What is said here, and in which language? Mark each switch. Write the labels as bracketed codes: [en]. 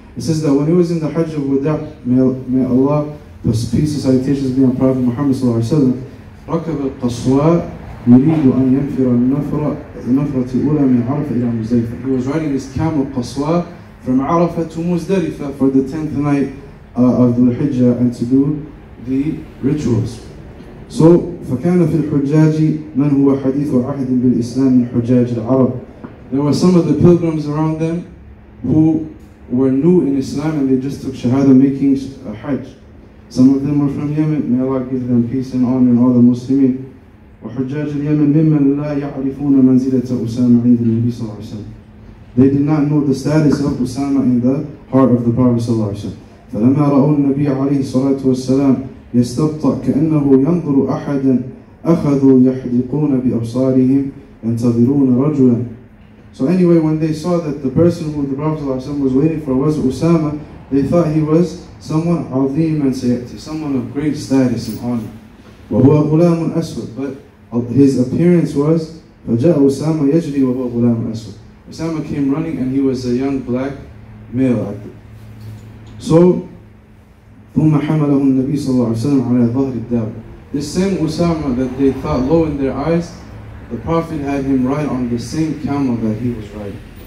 [en] It says that when he was in the Hajj of Wada, may Allah, peace and salutations be on Prophet Muhammad sallallahu alayhi wa sallam, [ar] ركب القصواء يريد أن ينفر النفرة النفرة الأولى من عرفة إلى مزدلفة. [en] He was riding his camel قصواء from عرفة to مزدلفة for the 10th night of the Hijjah and to do the rituals. So [ar] فكان في الحجاج من هو حديث عهد بالإسلام من حجاج العرب. [en] There were some of the pilgrims around them who were new in Islam and they just took shahada making a Hajj. Some of them were from Yemen. May Allah give them peace and honor and all the Muslims. [ar] وحجاج اليمن ممن لا يعرفون منزلة أسامة عند النبي صلى الله عليه وسلم. [en] They did not know the status of Usama in the heart of the Prophet [ar] صلى الله عليه وسلم. فلما رأوا النبي عليه الصلاة والسلام يستبطأ كأنه ينظر أحدا أخذوا يحدقون بأبصارهم ينتظرون رجلا. [en] So anyway, when they saw that the person who the Prophet [ar] صلى الله عليه وسلم [en] was waiting for was Usama, they thought he was someone عظيم and سيأتي, someone of great status and honor. [ar] وهو غلام أسود. [en] But His appearance was, [ar] فَجَاءَ أُسَامَ يَجْرِي وَهُوَ غُلَامٌ أَسْوَدٌ. [en] Usama came running and he was a young black male. So, [ar] ثُمَّ حَمَلَهُ النَّبِيُّ صَلَّى اللَّهُ عَلَيْهِ وَسَلَّمَ عَلَى ظَهْرِ الدَّابَّةِ. [en] The same Usama that they thought low in their eyes, the Prophet had him ride on the same camel that he was riding.